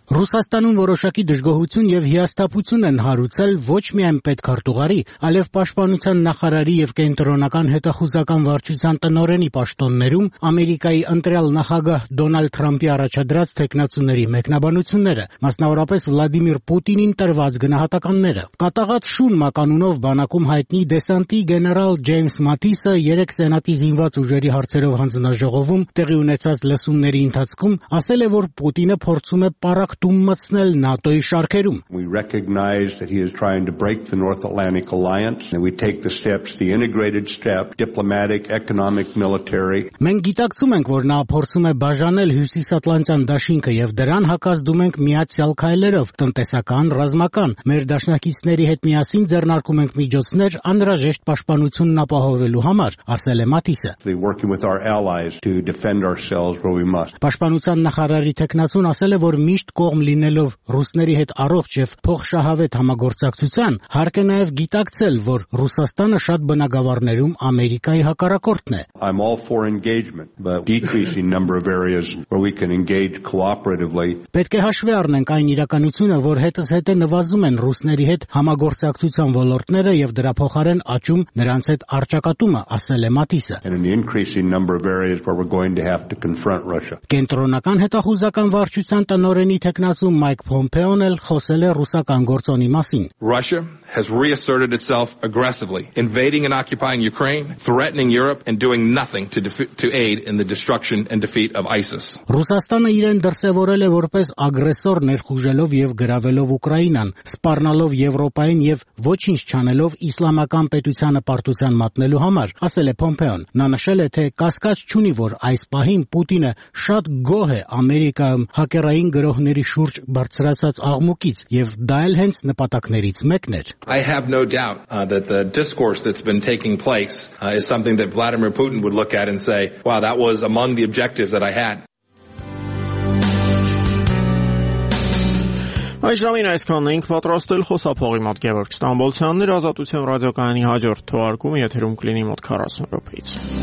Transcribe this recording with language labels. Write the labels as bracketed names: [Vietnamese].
[Armenian] Ռուսաստանում որոշակի դժգոհություն և հիասթափություն են հարուցել ոչ միայն պետքարտուղարի, այլև պաշտպանության նախարարի և կենտրոնական հետախուզական վարչության տնօրենի պաշտոններում Ամերիկայի ընտրյալ նախագահ Դոնալդ Թրամփի առաջադրած թեկնածուների մեկնաբանությունները, մասնավորապես Վլադիմիր Պուտինին տրված գնահատականները։ Կատաղած շուն մականունով բանակում հայտնի դեսանտի գեներալ Ջեյմս Մատիսը 3 սենատի զինված ուժերի հարցերով հանձնաժողովում տեղի ունեցած լսումների ընթացքում ասել է, որ Պուտինը փորձում է պարակ դում մտցնել ՆԱՏՕ-ի շարքերում։ [English] We recognize that he is trying to break the North Atlantic Alliance and we take the steps, the integrated step, diplomatic, economic, military. [Armenian] Մենք գիտակցում ենք, որ նա փորձում է բաժանել Հյուսիսատլանտյան դաշինքը եւ դրան հակազդում ենք միացյալ քայլերով՝ տնտեսական, ռազմական։ Մեր դաշնակիցների հետ միասին ձեռնարկում ենք միջոցներ անհրաժեշտ պաշտպանությունն ապահովելու համար, ասել է Մատիսը։ [English] Working with our allies to defend ourselves where we must. [Armenian] Պաշտպանության նախարարի թեկնածուն ասել է, որ միշտ կողմ լինելով ռուսների հետ առողջ եւ փոխշահավետ համագործակցության, հարկ է նաեւ գիտակցել, որ Ռուսաստանը շատ բնագավառներում Ամերիկայի հակառակորդն է։ [English] I'm all for engagement, but decreasing number of areas where we can engage cooperatively. [Armenian] Պետք է հաշվի առնենք այն իրականությունը, որ հետս հետե նվազում են ռուսների հետ համագործակցության ոլորտները եւ դրա փոխարեն աճում նրանց հետ արճակատումը, ասել է Մատիսը։ [English] And an increasing number of areas where we're going to have to confront Russia. [Armenian] Կենտրոնական հետախուզական վարչության տնօրենի թեկնածու Մայք Փոմպեոն էլ խոսել է ռուսական գործոնի մասին։ [English] Russia has reasserted itself aggressively, invading and occupying Ukraine, threatening Europe and doing nothing to aid in the destruction and defeat of ISIS. [Armenian] Ռուսաստանը իրեն դրսևորել է որպես ագրեսոր, ներխուժելով եւ գրավելով Ուկրաինան, սպառնալով Եվրոպային եւ ոչինչ չանելով իսլամական պետությանը պարտության մատնելու համար, ասել է Փոմպեոն։ Նա նշել է, թե կասկած չունի, որ այս պահին Պուտինը շատ գոհ է Ամերիկայում հակերային գրոհների շուրջ բարձրացած աղմուկից, եւ դա էլ հենց նպատակներից մեկն էր։ [English] I have no doubt that the discourse that's been taking place is something that Vladimir Putin would look at and say, wow, that was among the objectives that I had. [Armenian] Այժմ այսքան ենք պատրաստել խոսափողի մոտ Գևորգ Ստամբոլցյաններ Ազատության ռադիոկայանի հաջորդ թողարկում, եթերում կլինի մոտ 40 րոպեից։